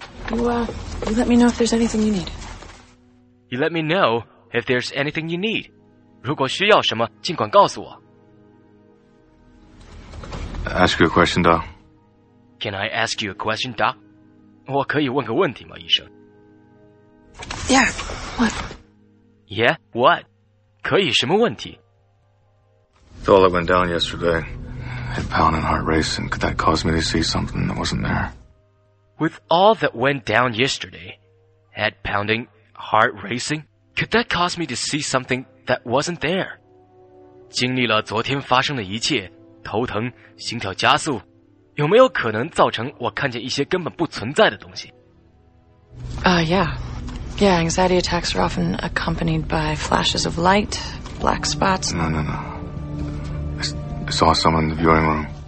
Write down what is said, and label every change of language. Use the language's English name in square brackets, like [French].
[English] You let me know if there's anything you need. You let me know if there's anything you need. [Chinese] 如果需要什么尽管告诉我。 [English] Ask you a question, Doc. Can I ask you a question, Doc? [Chinese] 我可以问个问题吗，医生？ [English] Yeah, what? Yeah, what? [Chinese] 可以什么问题？ [English] The all that went down yesterday, head pounding, heart racing, could that cause me to see something that wasn't there? With all that went down yesterday, head pounding, heart racing, could that cause me to see something that wasn't there? [Chinese] 经历了昨天发生的一切，头疼，心跳加速。有没有可能造成我看见一些根本不存在的东西？ [English] Yeah, anxiety attacks are often accompanied by flashes of light, black spots. No. I saw someone in the viewing room.